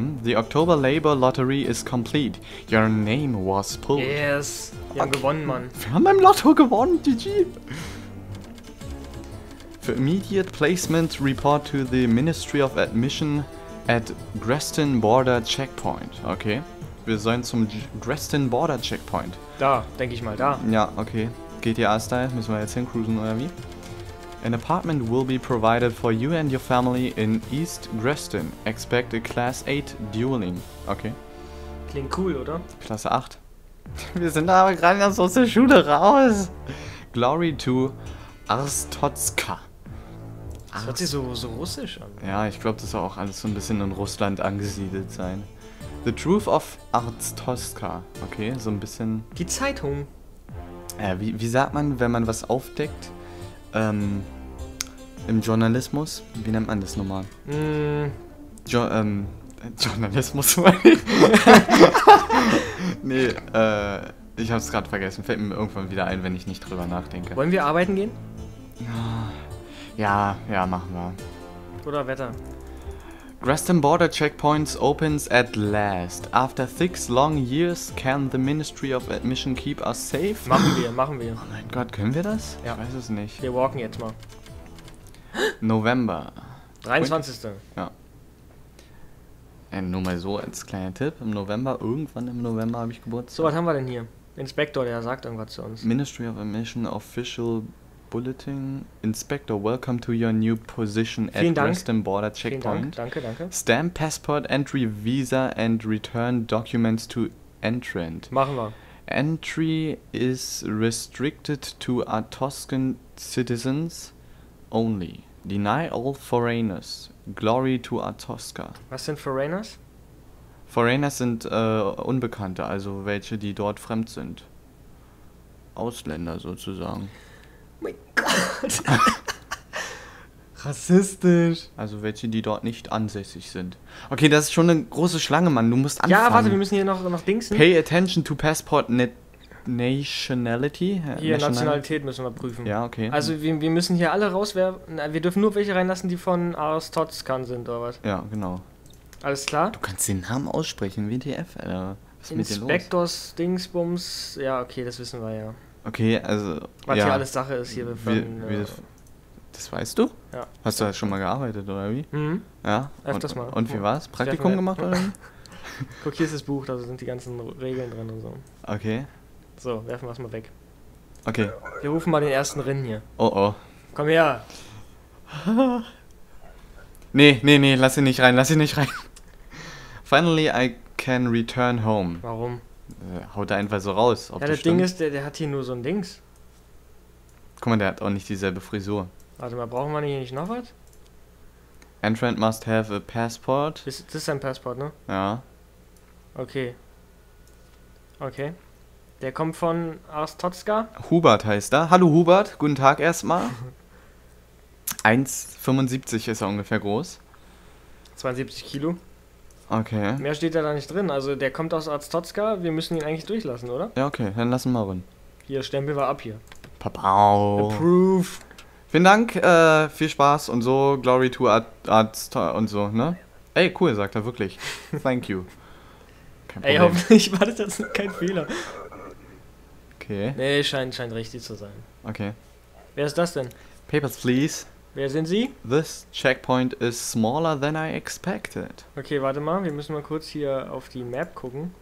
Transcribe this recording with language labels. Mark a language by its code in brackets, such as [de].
[en] The October Label Lottery is complete. Your name was pulled. Yes. [de] Wir haben gewonnen, Mann. Wir haben beim Lotto gewonnen, GG. [en] For immediate placement, report to the Ministry of Admission at Greston Border Checkpoint. Okay. [de] Wir sollen zum Greston Border Checkpoint. Da, denke ich mal, da. Ja, okay. GTA-Style, müssen wir jetzt hincruisen oder wie? [en] An apartment will be provided for you and your family in East Greston. Expect a Class 8 dueling. Okay. [de] Klingt cool, oder? Klasse 8. Wir sind aber gerade erst aus der Schule raus. [en] Glory to Arstotzka. [de] Das hört sich so russisch an. Ja, ich glaube, das soll auch alles so ein bisschen in Russland angesiedelt sein. The Truth of Arstotzka. Okay, so ein bisschen. Die Zeitung. Wie sagt man, wenn man was aufdeckt? Im Journalismus? Wie nennt man das nochmal? Journalismus, meine ich. Nee, ich hab's gerade vergessen. Fällt mir irgendwann wieder ein, wenn ich nicht drüber nachdenke. Wollen wir arbeiten gehen? Ja, machen wir. Oder Wetter. [en] Greston Border Checkpoints opens at last. After 6 long years, can the Ministry of Admission keep us safe? [de] Machen wir. Oh mein Gott, können wir das? Ja. Ich weiß es nicht. Wir walken jetzt mal. November. 23. Ja. Nur mal so als kleiner Tipp. Irgendwann im November habe ich Geburtstag. So, was haben wir denn hier? Inspektor, der sagt irgendwas zu uns. [en] Ministry of Admission Official Bulletin. Inspector, welcome to your new position at Greston Border Checkpoint. [de] Vielen Dank, danke. [en] Stamp passport entry visa and return documents to entrant. [de] Machen wir. [en] Entry is restricted to Arstotzkan citizens only. Deny all foreigners. Glory to Arstotzka. [de] Was sind Foreigners? Foreigners sind Unbekannte, also welche, die dort fremd sind. Ausländer sozusagen. Oh mein Gott! Rassistisch! Also welche, die dort nicht ansässig sind. Okay, das ist schon eine große Schlange, Mann. Du musst anfangen. Ja, warte, wir müssen hier noch dingsen. [en] Pay attention to passport nationality. [de] Hier, Nationalität müssen wir prüfen. Ja, okay. Also wir müssen hier alle rauswerfen. Wir dürfen nur welche reinlassen, die von Arstotzkan sind, oder was? Ja, genau. Alles klar? Du kannst den Namen aussprechen, WTF, Alter. Was ist Inspektors mit dir los? Dingsbums. Ja, okay, das wissen wir ja. Okay, also. Was ja, hier alles Sache ist, hier befinden wir. Das weißt du? Ja. Hast du da schon mal gearbeitet, oder wie? Mhm. Ja? Öfters mal. Und wie war's? Praktikum gemacht, oder? Guck, hier ist das Buch, da sind die ganzen Regeln drin und so. Okay. So, werfen wir es mal weg. Okay. Wir rufen mal den ersten Rin hier. Oh oh. Komm her! Nee, lass ihn nicht rein. [en] Finally I can return home. [de] Warum? Haut er einfach so raus. Ob ja, das Ding ist, der hat hier nur so ein Dings. Guck mal, der hat auch nicht dieselbe Frisur. Warte mal, brauchen wir hier nicht noch was? [en] Entrant must have a passport. [de] Das ist sein Passport, ne? Ja. Okay. Okay. Der kommt von Arstotzka. Hubert heißt er. Hallo Hubert, guten Tag erstmal. 1,75 ist er ungefähr groß. 72 Kilo. Okay. Mehr steht da nicht drin. Also der kommt aus Arstotzka. Wir müssen ihn eigentlich durchlassen, oder? Ja, okay. Dann lassen wir rein. Hier, Stempel war ab hier. Papau. [en] Approve. [de] Vielen Dank. Viel Spaß und so. [en] Glory to Arstotzka [de] und so, ne? Ey, cool, sagt er wirklich. [en] Thank you. [de] Kein Problem. Ey, hoffentlich war das jetzt kein Fehler. Okay. Nee, scheint richtig zu sein. Okay. Wer ist das denn? [en] Papers, please. [de] Wer sind Sie? [en] This checkpoint is smaller than I expected. [de] Okay, warte mal. Wir müssen mal kurz hier auf die Map gucken.